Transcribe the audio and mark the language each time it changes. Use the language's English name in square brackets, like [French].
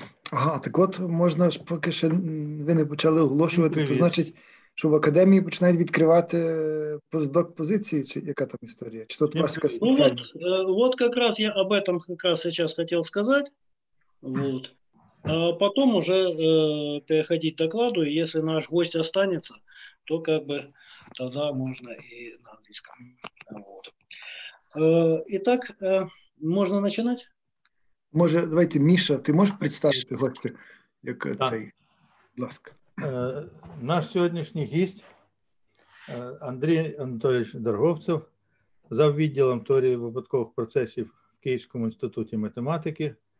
[Ukrainian] Ага, так от можна ж, поки ще ви не почали оголошувати, то Привіт. значить, що в академії починають відкривати постдок позиції, чи яка там історія? Чи тут у вас якась Ну спеціальна? [Russian] вот как раз я об этом как раз сейчас хотел сказать. Вот. А потом уже переходить к докладу, и если наш гость останется, то как бы тогда можно и на английском. Вот. Итак, можно начинать? [Ukrainian] Може, давайте, Міша, ти можеш представити гостя, як цей? Будь ласка. Наш сьогоднішній гість Андрій Анатолійович Дорговцев, заввідділом теорії випадкових процесів в Київському інституті математики.